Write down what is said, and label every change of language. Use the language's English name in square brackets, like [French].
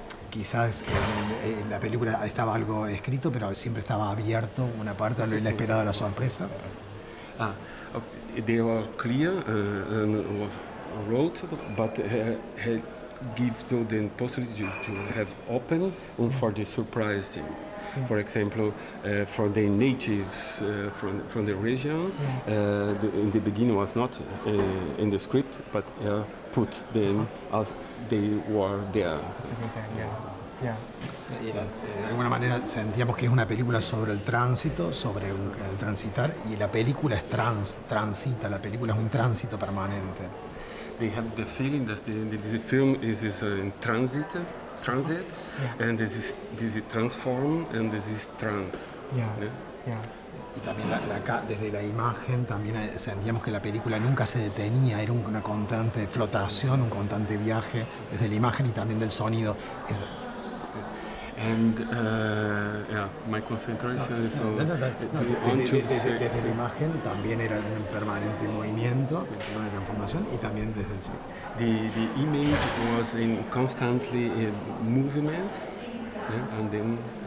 [Spanish] Quizás en la película estaba algo escrito, pero siempre estaba abierto una parte a lo inesperado, a la sorpresa. [English] Ah, okay. They were clear and was wrote, but he gives you the possibility to have open for the surprise thing. For example, from the natives from the region, in the beginning was not in the script, but put them as they were there. [Spanish] De alguna manera sentíamos que es una película sobre el tránsito, sobre el transitar, y la película es transita, la película es un tránsito permanente. [English] They have the feeling that the film is in transit. Transit, and this is transform, and this is trans. [Spanish] Y también desde la imagen también sentíamos que la película nunca se detenía, era una constante flotación, un constante viaje desde la imagen y también del sonido. [English] And my concentration is on. [Spanish] Desde la imagen también era un permanente movimiento, sí. Una transformación, y también desde el sonido. [English] The image was in constantly in movement, yeah, and then.